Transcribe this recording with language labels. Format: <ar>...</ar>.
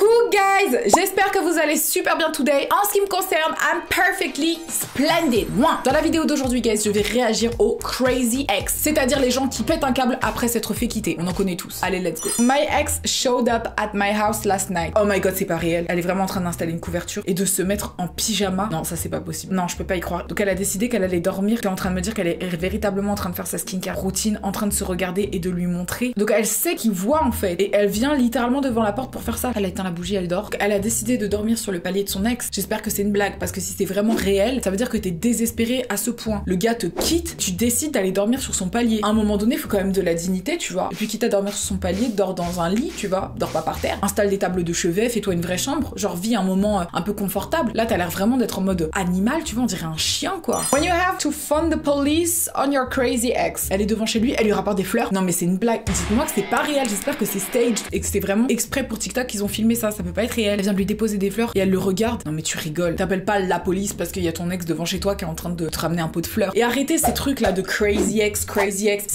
<fr>guys, j'espère que vous allez super bien today. En ce qui me concerne,</fr> <en>I'm perfectly splendid.</en> <fr>Dans la vidéo d'aujourd'hui, guys, je vais réagir aux crazy ex, c'est-à-dire les gens qui pètent un câble après s'être fait quitter. On en connaît tous. Allez,</fr> <en>let's go. My ex showed up at my house last night. Oh my god,</en> <fr>c'est pas réel. Elle est vraiment en train d'installer une couverture et de se mettre en pyjama. Non, ça c'est pas possible. Non, je peux pas y croire. Donc elle a décidé qu'elle allait dormir. Elle est en train de me dire qu'elle est véritablement en train de faire sa skincare routine, en train de se regarder et de lui montrer. Donc elle sait qu'il voit en fait. Et elle vient littéralement devant la porte pour faire ça. Elle a éteint la bougie, elle dort. Elle a décidé de dormir sur le palier de son ex. J'espère que c'est une blague, parce que si c'est vraiment réel, ça veut dire que t'es désespéré à ce point. Le gars te quitte, tu décides d'aller dormir sur son palier. À un moment donné, faut quand même de la dignité, tu vois. Et puis quitte à dormir sur son palier, dors dans un lit, tu vois. Dors pas par terre. Installe des tables de chevet, fais-toi une vraie chambre. Genre vis un moment un peu confortable. Là, t'as l'air vraiment d'être en mode animal, tu vois, on dirait un chien quoi.</fr> <en>When you have to phone the police on your crazy ex.</en> <fr>Elle est devant chez lui, elle lui rapporte des fleurs. Non mais c'est une blague. Dites-moi que c'est pas réel, j'espère que c'est staged et que c'est vraiment exprès pour TikTok qu'ils ont filmé ça. Ça peut pas être réel. Elle vient de lui déposer des fleurs et elle le regarde. Non mais tu rigoles. T'appelles pas la police parce qu'il y a ton ex devant chez toi qui est en train de te ramener un pot de fleurs. Et arrêtez ces trucs là de crazy ex, crazy ex.</fr>